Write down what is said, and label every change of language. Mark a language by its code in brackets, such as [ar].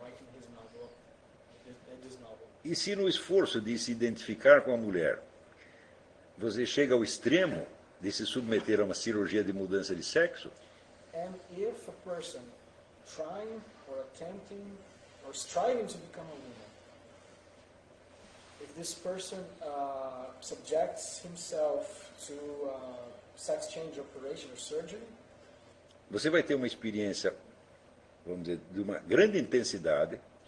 [en] writing his novel, this novel. [pt] E se no esforço de se identificar com a mulher, você chega ao extremo de se submeter a uma cirurgia de mudança de sexo? [en] And if a person trying or attempting or striving to become a woman, if this person subjects himself to sex change operation or surgery, [pt] você vai ter uma experiência, vamos dizer, de uma grande intensidade.